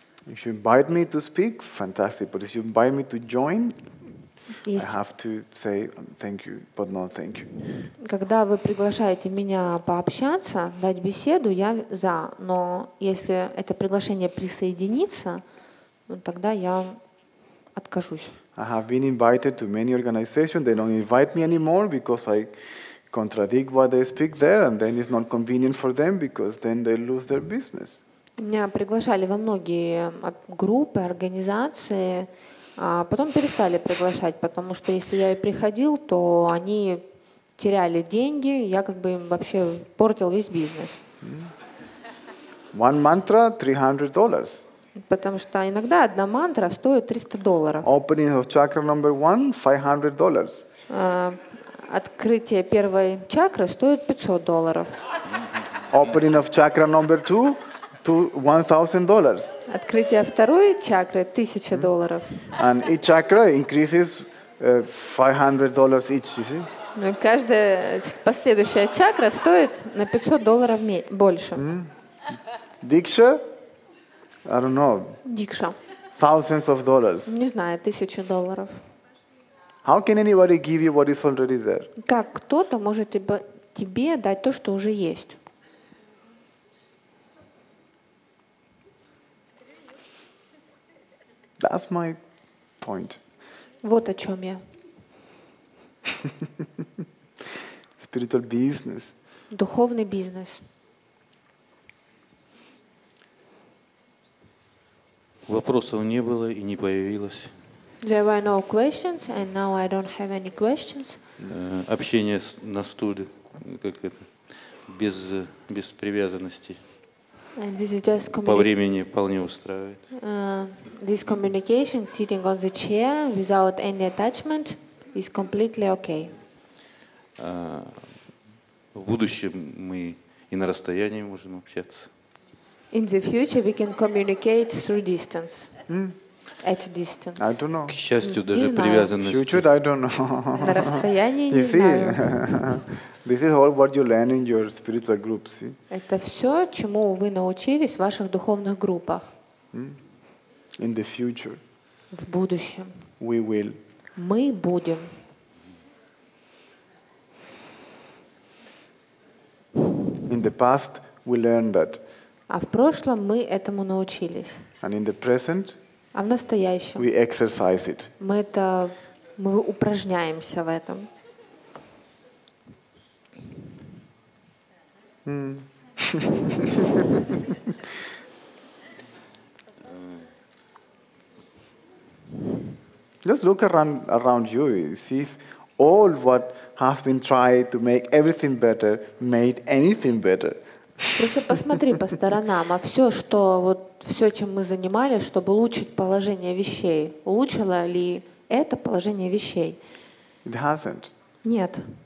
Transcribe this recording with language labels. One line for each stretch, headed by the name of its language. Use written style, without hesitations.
English: If you invite me to speak, fantastic. But if you invite me to join, I have to say thank you, but no thank you.
Russian: Когда вы приглашаете меня пообщаться, дать беседу, я за. Но если это приглашение присоединиться, тогда я откажусь.
English: I have been invited to many organizations. They don't invite me anymore because I contradict what they speak there, and then it's not convenient for them because then they lose their business.
Russian: Меня приглашали во многие группы, организации, а потом перестали приглашать, потому что если я и приходил, то они теряли деньги, я как бы им вообще портил весь бизнес.
English: One mantra, $300.
Russian: Потому что иногда одна мантра стоит $300.
English: Opening of chakra number one, $500.
Russian: Открытие первой чакры стоит $500.
English: Opening of chakra number two, $1,000.
Russian: Открытие второй чакры $1,000.
English: And each chakra increases $500 each, you see?
Russian: Ну, каждая последующая чакра стоит на $500 больше.
English: Диксха. I don't know.
Russian: Диксха.
English: Thousands of dollars.
Russian: Не знаю, $1,000.
English: How can anybody give you what is already there?
Russian: Как кто-то может тебе дать то, что уже есть?
English: That's my point.
Russian: Вот о чем я.
English: Spiritual business.
Russian: Духовный бизнес. Вопросов не было и не появилось.
English: There were no questions, and now I don't have any questions.
Russian: Общение на стуле, как это, без привязанности.
English: And this is just
Russian: по времени вполне устраивает.
English: This communication, sitting on the chair without any attachment, is completely okay.
Russian: В будущем мы и на расстоянии можем общаться.
English: In the future, we can communicate through distance. At distance. I don't know.
Russian: К счастью, даже привязанности.
English: Future, I don't know.
Russian: На расстоянии не знаю.
English: You see, this is all what you learn in your spiritual groups.
Russian: Это все, чему вы научились в ваших духовных группах.
English: In the future.
Russian: В будущем.
English: We will.
Russian: Мы будем.
English: In the past, we learned that.
Russian: А в прошлом мы этому научились.
English: And in the present,
Russian: а в настоящем
English: we exercise it.
Russian: Мы упражняемся в этом.
English: Just look around you and see if all what has been tried to make everything better made anything better.
Russian: Просто посмотри по сторонам, а все, что вот все, чем мы занимались, чтобы улучшить положение вещей, улучшило ли это положение вещей?
English: It hasn't.
Russian: Нет.